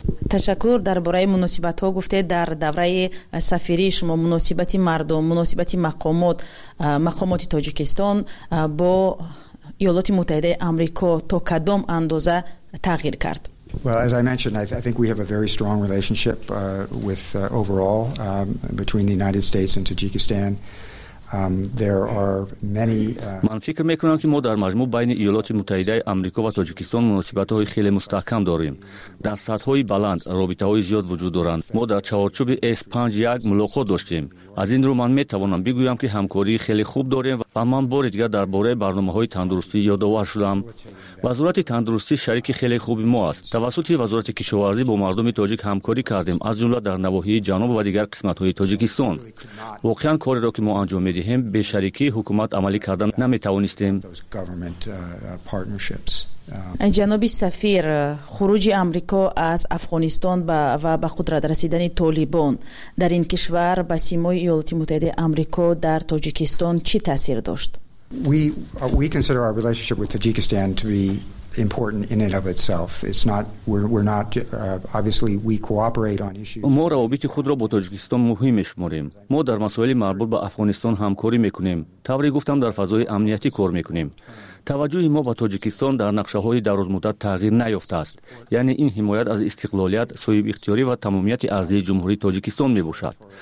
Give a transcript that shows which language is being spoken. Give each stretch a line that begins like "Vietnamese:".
Persian: تشکر. در باره مناسبت ها گفته در دوره سفری شما مناسبت مردم، مناسبت مقامات، مقامات تاجیکستان با ایالات متحده آمریکا تا کدام اندازه تغییر کرد؟
English: Well, as I mentioned, I think we have a very strong relationship with overall between the United States and Tajikistan. There are many
Persian: من فکر میکنم که ما در مجموع بین ایالات متحده آمریکا و تاجیکستان مناسبت های خیلی مستحکم داریم. در سطح های بلند رابطه های زیاد وجود دارند. ما در چهارچوب S51 ملاقات داشتیم. از این رو من میتوانم بگویم که همکاری خیلی خوب داریم و من بار دیگر درباره برنامه های تندرستی یادآور شدم. وزارت تندرستی شریک خیلی خوبی ما است. توسط وزارت کشاورزی با مردم تاجیک همکاری کردیم، از جمله در نواحی جنوب و دیگر قسمت های تاجیکستان. واقعا کاری را که ما انجام می دهیم به شریکی حکومت عملی کردن نمی توانستیم. جناب سفیر، خروج آمریکا از افغانستان و به قدرت رسیدن طالبان در این کشور به سیمای ایالات متحده آمریکا در تاجیکستان چی تاثیر داشت؟
English: We consider our relationship with Tajikistan to be important in and of itself. It's not we're not obviously we cooperate on issues.
Persian: ما روابط خود را با تاجیکستان مهم می‌شماریم. ما در مسائل مربوط به افغانستان همکاری می‌کنیم. طوری گفتم در فضای امنیتی کار می‌کنیم. توجه ما به تاجیکستان در نقشه‌های درازمدت تغییر نیافته است. یعنی این حمایت از استقلالیت، صاحب اختیاری و تمامیت ارضی جمهوری تاجیکستان می‌باشد.